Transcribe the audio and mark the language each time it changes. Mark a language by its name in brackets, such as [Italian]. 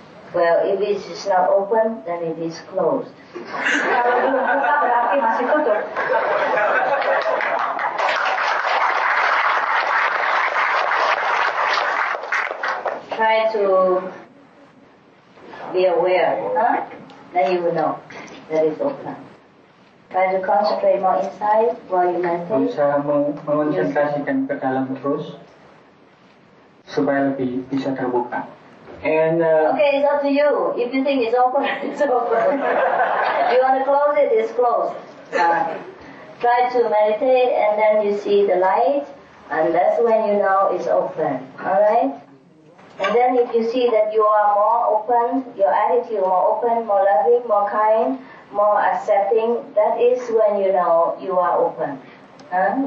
[English] Well, if it is not open, then it is closed. [Indonesian] Kalau belum buka berarti masih tutup. [English] Try to be aware, huh? Then you will know that it's open. Try to concentrate more inside while you meditate. [Indonesian] Berusaha mengonsentrasikan ke dalam terus supaya lebih bisa terbuka. [English] And, okay, it's up to you. If you think it's open, it's open. If you want to close it, it's closed. Try to meditate and then you see the light, and that's when you know it's open. Alright? And then if you see that you are more open, your attitude more open, more loving, more kind, more accepting, that is when you know you are open. Huh?